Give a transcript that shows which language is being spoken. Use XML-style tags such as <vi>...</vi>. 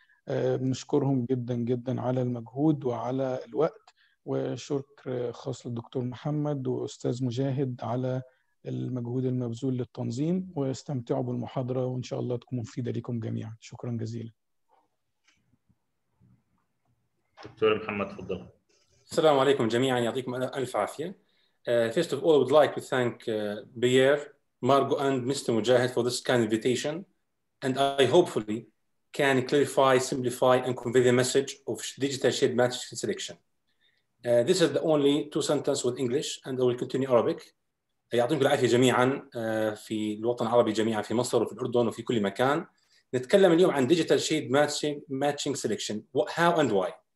<ar>بنشكرهم جدا جدا على المجهود وعلى الوقت، وشكر خاص للدكتور محمد وأستاذ مجاهد على المجهود المبذول للتنظيم، واستمتعوا بالمحاضرة وإن شاء الله تكون مفيدة لكم جميعا. شكرا جزيلا. دكتور محمد، تفضل. السلام عليكم جميعا، يعطيكم ألف عافية.</ar> <en>First of all, I would like to thank Pierre, Margo and Mr. Mujahid for this kind invitation, and I hopefully can clarify, simplify and convey the message of digital shade matching selection. This is the only two sentences with English and I will continue Arabic.</en> <ar>يعطيكم العافية جميعا في الوطن العربي جميعا، في مصر وفي الأردن وفي كل مكان. نتكلم اليوم عن</ar> <en>digital shade matching selection, how and why.</en>